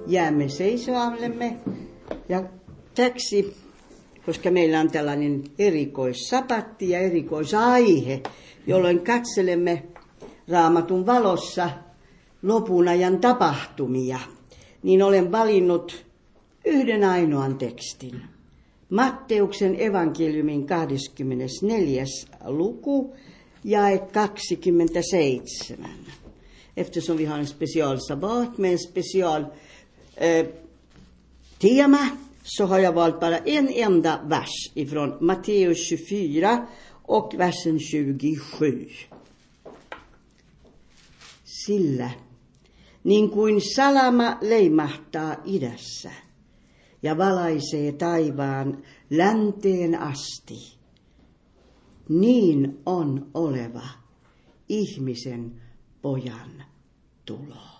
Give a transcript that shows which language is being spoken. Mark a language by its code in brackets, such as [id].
[fi] me seisoallemme ja täksi, koska meillä on tällainen erikoissapatti ja erikoisaihe, jolloin katselemme Raamatun valossa lopun ajan tapahtumia, niin olen valinnut yhden ainoan tekstin. Matteuksen evankeliumin 24. luku, jae 27. [sv] Eftersom vi har en special sabbat med en special tema, så har jag valt bara en enda vers ifrån Matteus 24 och versen 27. [fi] Sillä, niin kuin salama leimahtaa idässä ja valaisee taivaan länteen asti, niin on oleva ihmisen pojan tulo.